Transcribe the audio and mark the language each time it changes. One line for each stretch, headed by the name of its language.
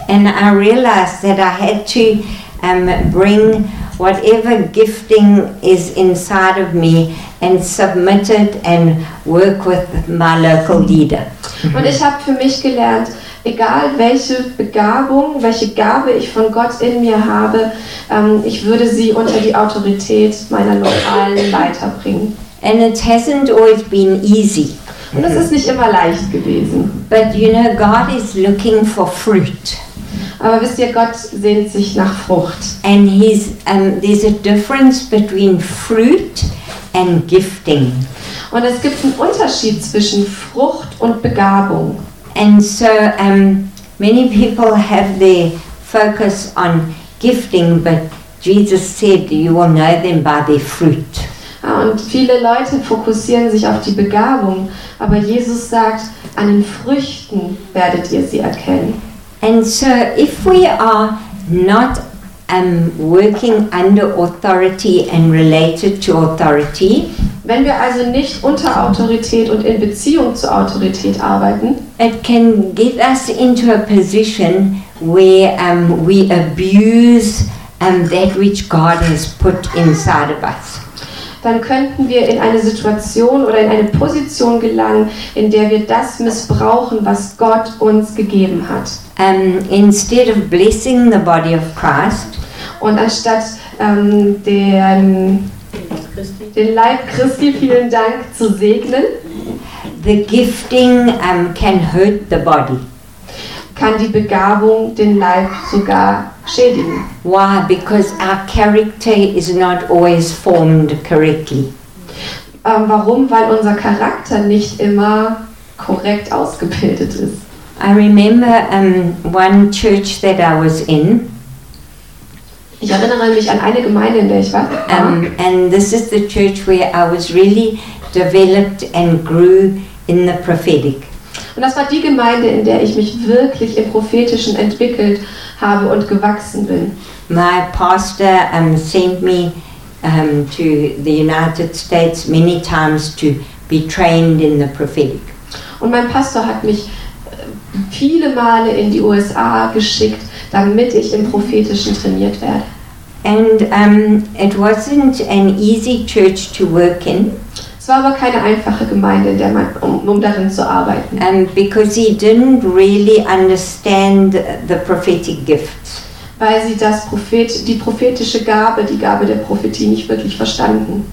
English: And I realized that I had to bring whatever gifting is inside of me and submit it and work with my local leader.
German: Und ich habe für mich gelernt, egal welche Begabung, welche Gabe ich von Gott in mir habe, ich würde sie unter die Autorität meiner lokalen Leiter bringen.
English: And it hasn't always been easy.
German: Und es ist nicht immer leicht gewesen.
English: But you know, God is looking for fruit.
German: Aber wisst ihr, Gott sehnt sich nach Frucht.
English: And he's there's a difference between fruit and gifting.
German: Und es gibt einen Unterschied zwischen Frucht und Begabung.
English: And so many people have their focus on gifting, but Jesus said, you will know them by their fruit.
German: Und viele Leute fokussieren sich auf die Begabung, aber Jesus sagt, an den Früchten werdet ihr sie erkennen.
English: And so if we are not working under authority and related to authority,
German: wenn wir also nicht unter Autorität und in Beziehung zur Autorität arbeiten,
English: it can get us into a position where we abuse that which God has put inside of us.
German: Dann könnten wir in eine Situation oder in eine Position gelangen, in der wir das missbrauchen, was Gott uns gegeben hat.
English: Instead of blessing the body of Christ,
German: und anstatt den Leib Christi, vielen Dank, zu segnen,
English: the gifting can hurt the body.
German: Kann die Begabung den Leib sogar schädigen.
English: Why? Because our character is not always formed correctly.
German: Warum? Weil unser Charakter nicht immer korrekt ausgebildet ist.
English: I remember one church that I was in.
German: Ich erinnere mich an eine Gemeinde, in der ich war.
English: And this is the church where I was really developed and grew in the prophetic.
German: Und das war die Gemeinde, in der ich mich wirklich im Prophetischen entwickelt habe und gewachsen bin.
English: My pastor sent me to the United States many times to be trained in the prophetic.
German: Und mein Pastor hat mich viele Male in die USA geschickt, damit ich im Prophetischen trainiert werde.
English: And it wasn't an easy church to work in.
German: Es war aber keine einfache Gemeinde, um darin zu arbeiten.
English: Because he didn't really understand the prophetic gifts.
German: Weil sie die prophetische Gabe, die Gabe der Prophetie, nicht wirklich verstanden.